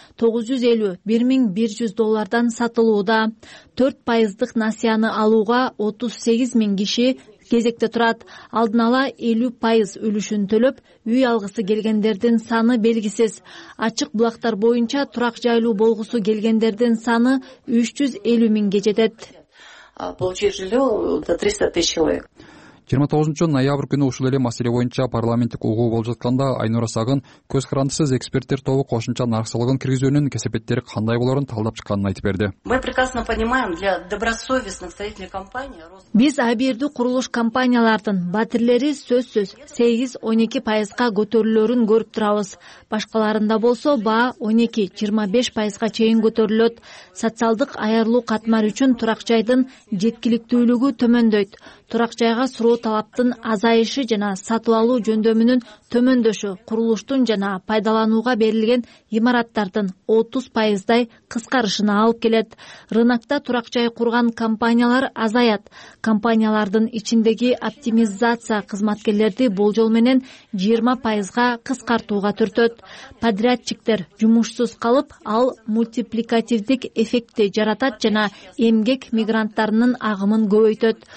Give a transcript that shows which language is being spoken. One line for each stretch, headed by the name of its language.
Kyrgyz: 950-1100 доллардан сатылууда. 4% насыяны алууга 38 000 киши кезекте турат. Алдын ала 50% өлүшүн төлөп, үй алгысы келгендердин саны белгисиз. Ачык булактар боюнча турак жайлуу болгусу келгендердин саны 350 миңге жетет.
Russian: Получить жилье до 300 тысяч человек.
Kyrgyz: 29 ноябрь күнү ушул эле маселе боюнча парламенттик угуу болуп жатканда Айнура Сагын көз карандысыз эксперттер тобу кошумча нарк салыгын киргизүүнүн кесепеттери кандай болорун талдап чыкканын айтып берди.
Russian: Мы прекрасно понимаем, для добросовестных строительных компаний.
Kyrgyz: Биз абийирдүү курулуш компаниялардын батирлери сөзсүз 8-12% көтөрүлөрүн көрүп турабыз. Башкаларында болсо баа 12-25% чейин көтөрүлөт. Социалдык аярлуу катмар үчүн турак жайдын жеткиликтүүлүгү төмөндөйт. Турак жайга суроо талаптын азайышы жана сатып алуу жөндөмүнүн төмөндөшү курулуштун жана пайдаланууга берилген имараттардын 30% кыскарышына алып келет. Рынокто турак жай курган компаниялар азаят. Компаниялардын ичиндеги оптимизация кызматкерлерди болжол менен 20% кыскартууга түртөт. Подрядчиктер жумушсуз калып, ал мультипликативдик эффектти жаратат жана эмгек мигранттарынын агымын көбөйтөт.